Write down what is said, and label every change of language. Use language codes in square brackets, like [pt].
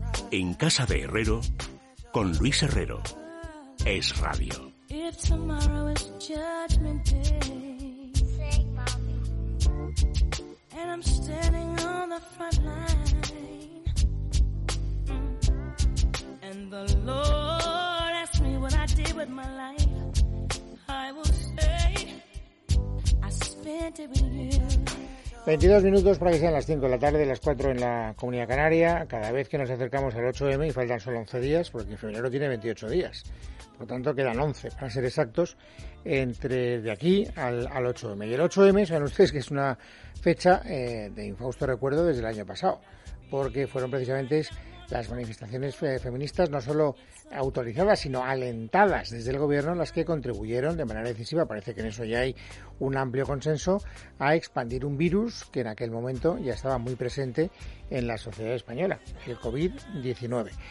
[es] En casa de Herrero, con Luis Herrero, es radio. [en] If tomorrow is judgment day, and I'm standing on the front line, and the Lord asked me what I did with my life, I will say, I spent it with you. [es] 22 minutos para que sean las 5 de la tarde, las 4 en la Comunidad Canaria. Cada vez que nos acercamos al 8M y faltan solo 11 días, porque en febrero tiene 28 días. Por tanto, quedan 11, para ser exactos, entre de aquí al 8M. Y el 8M, saben ustedes que es una fecha de infausto recuerdo desde el año pasado, porque fueron precisamente las manifestaciones feministas, no solo autorizadas, sino alentadas desde el gobierno, las que contribuyeron de manera decisiva, parece que en eso ya hay un amplio consenso, a expandir un virus que en aquel momento ya estaba muy presente en la sociedad española, el COVID-19.